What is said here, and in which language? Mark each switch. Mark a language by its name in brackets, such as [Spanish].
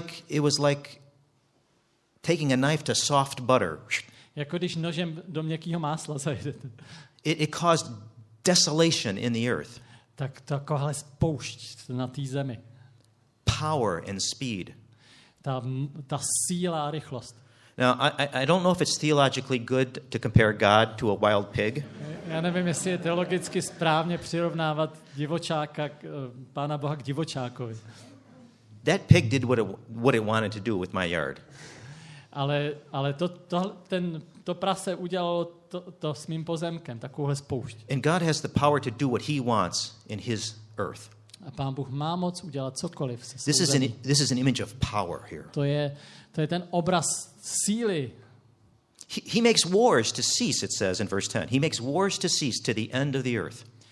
[English] It was like taking a knife to soft butter. [Czech] Jako když nožem do měkkého másla zajdete. [English] It caused desolation in the earth. [Czech] Tak takhle spoušť na té zemi. [English] Power and speed. [Czech] Ta síla a rychlost. [English] Now, I don't know if it's theologically good to compare God to a wild pig. [Czech] Já nevím, jestli je teologicky správně přirovnávat divočáka, Pána Boha k divočákovi. [English] That pig did what it wanted to do with my yard. [Czech] Ale to prase udělalo to s mým pozemkem, takovouhle spoušť. [English] And God has the power to do what he wants in his earth. [Czech] A Pán Bůh má moc udělat cokoliv se svou zemí. [English] This is an image of power here. [Czech] To je ten obraz síly. [English] He makes wars to cease, it says in verse 10. He makes wars to cease to the end of the earth.